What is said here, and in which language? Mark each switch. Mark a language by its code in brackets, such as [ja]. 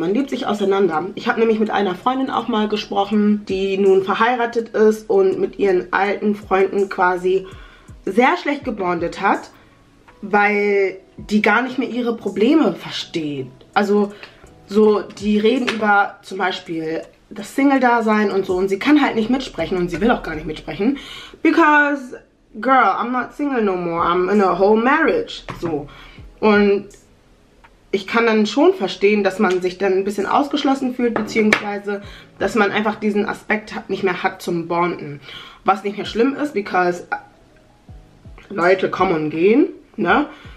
[de] Man lebt sich auseinander. Ich habe nämlich mit einer Freundin auch mal gesprochen, die nun verheiratet ist und mit ihren alten Freunden quasi sehr schlecht gebondet hat, weil die gar nicht mehr ihre Probleme versteht. Also so, die reden über zum Beispiel das Single-Dasein und so und sie kann halt nicht mitsprechen und sie will auch gar nicht mitsprechen. [en] Because, girl, I'm not single no more. I'm in a whole marriage. So. [de] Und ich kann dann schon verstehen, dass man sich dann ein bisschen ausgeschlossen fühlt, beziehungsweise, dass man einfach diesen Aspekt nicht mehr hat zum Bonden. Was nicht mehr schlimm ist, because Leute kommen und gehen, ne?